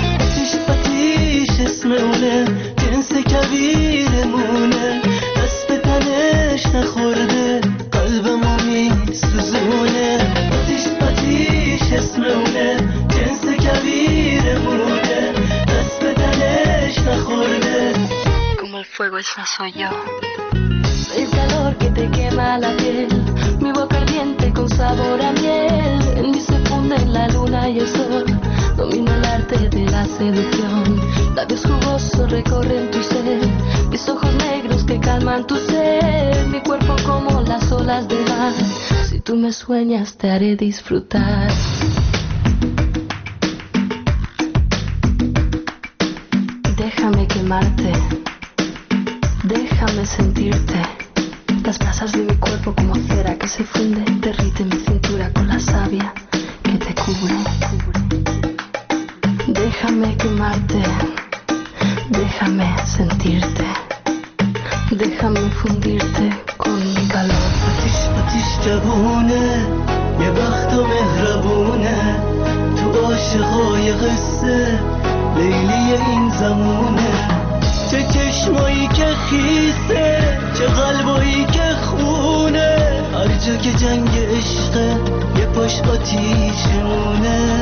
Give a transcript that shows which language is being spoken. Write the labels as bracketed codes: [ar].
[fa] آتیش آتیش اسم اونه، جنس کبیرمونه، دست به تنش نخورده قلبمو میسوزونه. آتیش آتیش اسم اونه، جنس کبیرمونه، دست به تنش نخورده. [es] Como el fuego esa soy yo. El calor que te quema la piel, mi boca ardiente con sabor a miel, en mí se funden la luna y el sol, domino el arte de la seducción. Labios jugosos recorren tu ser, mis ojos negros que calman tu ser, mi cuerpo como las olas del mar, si tú me sueñas te haré disfrutar. Déjame quemarte, déjame sentirte, las brasas de mi cuerpo como cera que se funde, derrite mi cintura con la savia que te cubre. Déjame quemarte, déjame sentirte, déjame fundirte con mi calor. [fa] آتیش آتیش جوونه، یه بخت و مهربونه، تو عاشقای قصه لیلی این زمونه. چه چشمایی که خیسه، چه قلبایی که خونه، هر جا که جنگ عشقه یه پاش آتیش مونه.